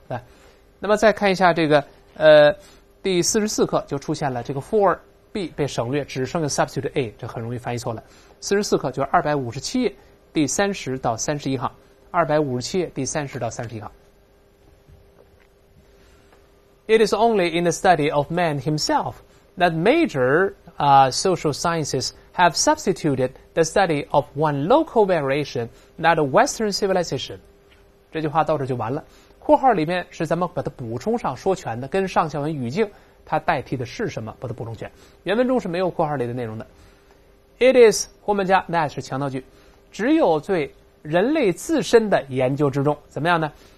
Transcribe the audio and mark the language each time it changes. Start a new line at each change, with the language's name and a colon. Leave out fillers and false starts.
Chinese: 对，那么再看一下这个第四十四课就出现了这个 for B 被省略，只剩下 substitute A， 这很容易翻译错了。四十四课就是257页第30到31行，257页第30到31行。
English: It is only in the study of man himself that major social sciencesHave substituted the study of one local variation, not a Western civilization.
Chinese: 这句话到这就完了。括号里面是咱们把它补充上说全的，跟上下文语境，它代替的是什么？把它补充全。原文中是没有括号里的内容的。It is 后面加 that 是强调句，只有对人类自身的研究之中，怎么样呢？